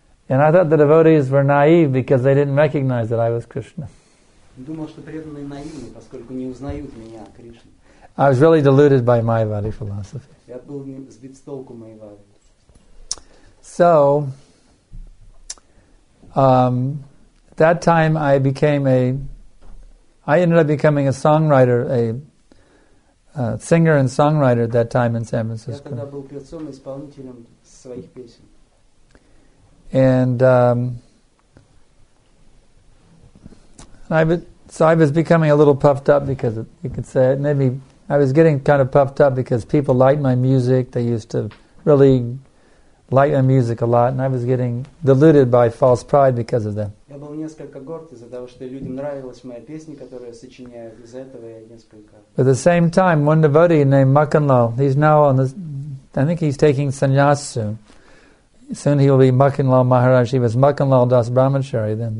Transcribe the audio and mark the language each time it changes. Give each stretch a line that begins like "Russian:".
English: And I thought the devotees were naive because they didn't recognize that I was Krishna.
Russian: Думал, что преданные наивны, поскольку не узнают меня, Кришна.
English: I was really deluded by Mayavadi philosophy.
Russian: Я был сбит с толку Mayavadi.
English: So, at that time I ended up becoming a songwriter, a singer and songwriter at that time in San Francisco.
Russian: Я тогда был певцом и исполнителем своих песен.
English: And I was becoming a little puffed up because you could say it. Maybe I was getting kind of puffed up because people liked my music. They used to really like my music a lot, and I was getting deluded by false pride because of them.
Russian: Я был несколько горд из-за того, что людям нравилась моя песня, которую я сочиняю. Из-за этого я несколько.
English: At the same time, one devotee named Makanlal, he's now on the. I think he's taking sannyas soon. Soon he will be Makanlal Maharaj. He was Makanlal Das Brahmachari then.